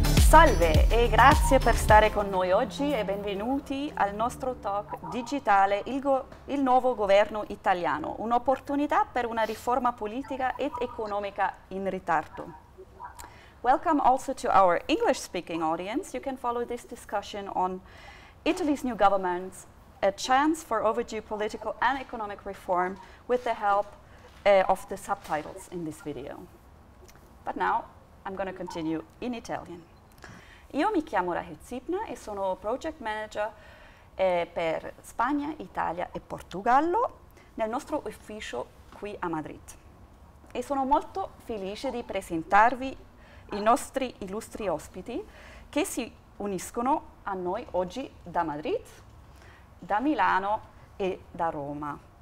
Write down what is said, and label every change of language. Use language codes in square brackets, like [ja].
[it] Salve e grazie per stare con noi oggi e benvenuti al nostro talk digitale il nuovo governo italiano, un'opportunità per una riforma politica ed economica in ritardo. [en] Welcome also to our English speaking audience. You can follow this discussion on Italy's new government, a chance for overdue political and economic reform with the help of the subtitles in this video. But now I'm going to continue in Italian. [it] Io mi chiamo Rachel Zipner e sono project manager per Spagna, Italia e Portogallo nel nostro ufficio qui a Madrid. E sono molto felice di presentarvi i nostri illustri ospiti che si uniscono a noi oggi da Madrid, da Milano e da Roma.